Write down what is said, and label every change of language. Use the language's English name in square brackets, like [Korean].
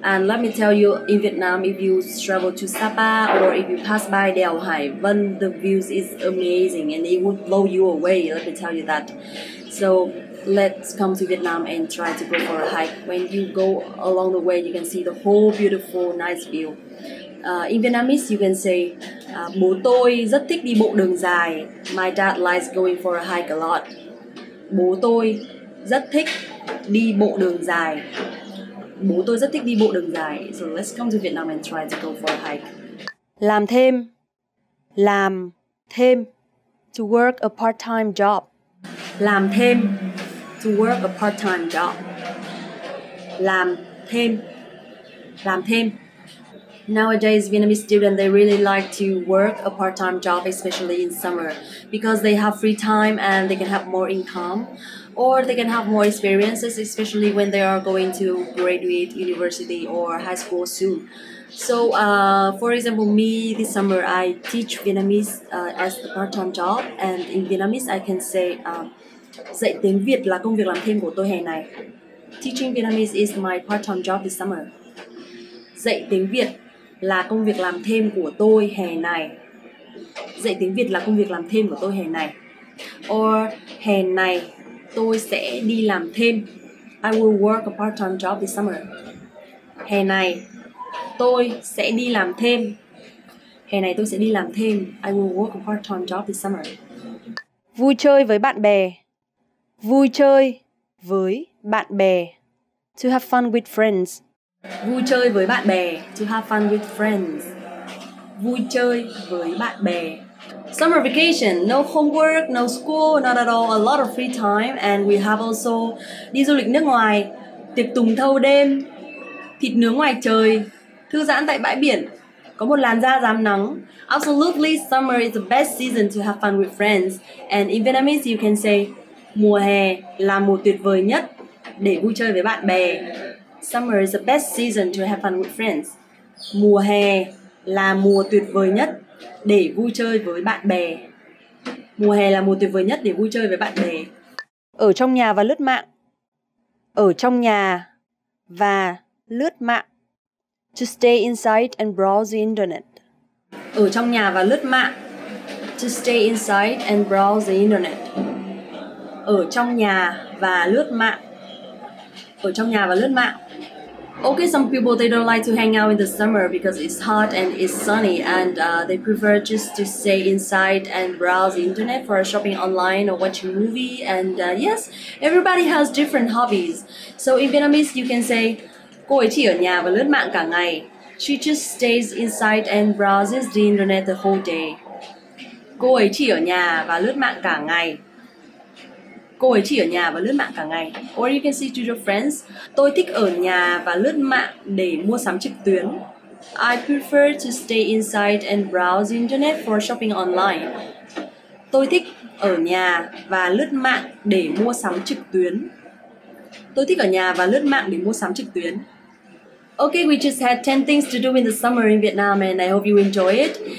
[English] And let me tell you, in Vietnam, if you travel to Sapa or if you pass by Đèo Hải Vân, the views is amazing and it would blow you away, let me tell you that. So let's come to Vietnam and try to go for a hike. When you go along the way, you can see the whole beautiful, nice view. In Vietnamese, you can say [Vietnamese] bố tôi rất thích đi bộ đường dài. [English] My dad likes going for a hike a lot. [Vietnamese] Bố tôi rất thích đi bộ đường dài. Bố tôi rất thích đi bộ đường dài. [English] So let's come to Vietnam and try to go for a hike. [Vietnamese] Làm thêm. Làm thêm. [English] To work a part-time job. [Vietnamese] Làm thêm. [English] To work a part-time job. [Vietnamese] Làm thêm. Làm thêm. [English] Nowadays, Vietnamese students, they really like to work a part-time job, especially in summer, because they have free time and they can have more income, or they can have more experiences, especially when they are going to graduate university or high school soon. So, for example, me this summer, I teach Vietnamese as a part-time job, and in Vietnamese, I can say, [Vietnamese] dạy tiếng Việt là công việc làm thêm của tôi hè này. [English] Teaching Vietnamese is my part-time job this summer. [Vietnamese] Dạy tiếng Việt là công việc làm thêm của tôi hè này. Dạy tiếng Việt là công việc làm thêm của tôi hè này. Or hè này tôi sẽ đi làm thêm. [English] I will work a part-time job this summer. [Vietnamese] Hè này tôi sẽ đi làm thêm. Hè này tôi sẽ đi làm thêm. [English] I will work a part-time job this summer. [Vietnamese] Vui chơi với bạn bè. Vui chơi với bạn bè. [English] To have fun with friends. [Vietnamese] Vui chơi với bạn bè. [English] To have fun with friends. [Vietnamese] Vui chơi với bạn bè. [English] Summer vacation. No homework, no school, not at all. A lot of free time. And we have also [Vietnamese] đi du lịch nước ngoài. Tiệc tùng thâu đêm. Thịt nướng ngoài trời. Thư giãn tại bãi biển. Có một làn da rám nắng. [English] Absolutely, summer is the best season to have fun with friends. And in Vietnamese, you can say [Vietnamese] mùa hè là mùa tuyệt vời nhất để vui chơi với bạn bè. [English] Summer is the best season to have fun with friends. [Vietnamese] Mùa hè là mùa tuyệt vời nhất để vui chơi với bạn bè. Mùa hè là mùa tuyệt vời nhất để vui chơi với bạn bè. Ở trong nhà và lướt mạng. Ở trong nhà và lướt mạng. [English] To stay inside and browse the internet. [Vietnamese] Ở trong nhà và lướt mạng. [English] To stay inside and browse the internet. [Vietnamese] Ở trong nhà và lướt mạng. Ở trong nhà và lướt mạng. [English] Okay, some people, they don't like to hang out in the summer because it's hot and it's sunny, and they prefer just to stay inside and browse the internet for shopping online or watch a movie. And yes, everybody has different hobbies. So in Vietnamese, you can say [Vietnamese] cô ấy chỉ ở nhà và lướt mạng cả ngày. [English] She just stays inside and browses the internet the whole day. [Vietnamese] Cô ấy chỉ ở nhà và lướt mạng cả ngày. cô ấy chỉ ở nhà và lướt mạng cả ngày. [English] Or you can say to your friends, [Vietnamese] tôi thích ở nhà và lướt mạng để mua sắm trực tuyến. [English] I prefer to stay inside and browse internet for shopping online. [Vietnamese] Tôi thích ở nhà và lướt mạng để mua sắm trực tuyến. Tôi thích ở nhà và lướt mạng để mua sắm trực tuyến. [English] Okay, we just had 10 things to do in the summer in Vietnam and I hope you enjoy it.